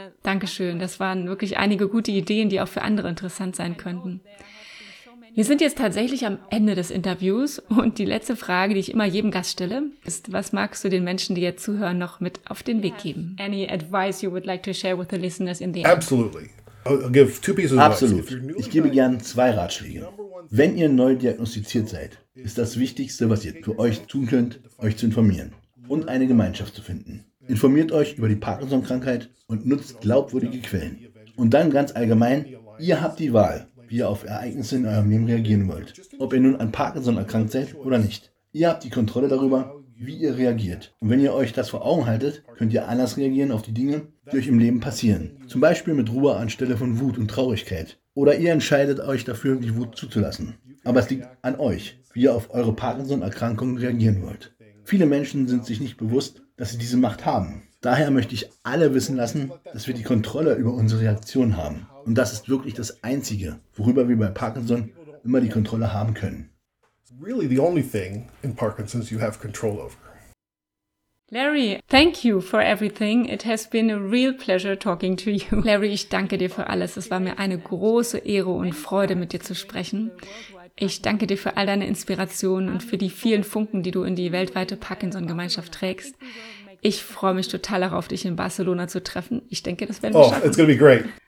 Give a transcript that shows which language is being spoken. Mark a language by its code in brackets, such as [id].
[de] Dankeschön, das waren wirklich einige gute Ideen, die auch für andere interessant sein könnten. Wir sind jetzt tatsächlich am Ende des Interviews und die letzte Frage, die ich immer jedem Gast stelle, ist, was magst du den Menschen, die jetzt zuhören, noch mit auf den Weg geben? [en] Any advice you would like to share with the listeners in the Absolutely. I'll give two pieces of advice. [de] Absolut. Ich gebe gern zwei Ratschläge. Wenn ihr neu diagnostiziert seid, ist das Wichtigste, was ihr für euch tun könnt, euch zu informieren und eine Gemeinschaft zu finden. Informiert euch über die Parkinson-Krankheit und nutzt glaubwürdige Quellen. Und dann ganz allgemein, ihr habt die Wahl, wie ihr auf Ereignisse in eurem Leben reagieren wollt. Ob ihr nun an Parkinson erkrankt seid oder nicht. Ihr habt die Kontrolle darüber, wie ihr reagiert. Und wenn ihr euch das vor Augen haltet, könnt ihr anders reagieren auf die Dinge, die euch im Leben passieren. Zum Beispiel mit Ruhe anstelle von Wut und Traurigkeit. Oder ihr entscheidet euch dafür, die Wut zuzulassen. Aber es liegt an euch, wie ihr auf eure Parkinson-Erkrankung reagieren wollt. Viele Menschen sind sich nicht bewusst, dass sie diese Macht haben. Daher möchte ich alle wissen lassen, dass wir die Kontrolle über unsere Reaktion haben. Und das ist wirklich das Einzige, worüber wir bei Parkinson immer die Kontrolle haben können. [en] Really the only thing in Parkinson's you have control over. Larry, thank you for everything. It has been a real pleasure talking to you. [de] Larry, ich danke dir für alles. Es war mir eine große Ehre und Freude, mit dir zu sprechen. Ich danke dir für all deine Inspirationen und für die vielen Funken, die du in die weltweite Parkinson-Gemeinschaft trägst. Ich freue mich total darauf, dich in Barcelona zu treffen. Ich denke, das werden wir schaffen. [en] Oh, it's going to be great.